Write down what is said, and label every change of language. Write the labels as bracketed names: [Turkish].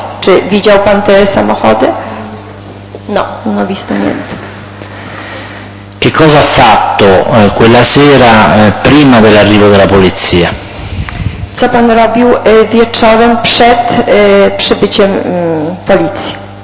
[Polish] Czy widział pan te samochody? [Italian] No, non ho visto niente. Che cosa ha fatto quella sera prima dell'arrivo della polizia? [Polish] co pan robił wieczorem przed przybyciem policji?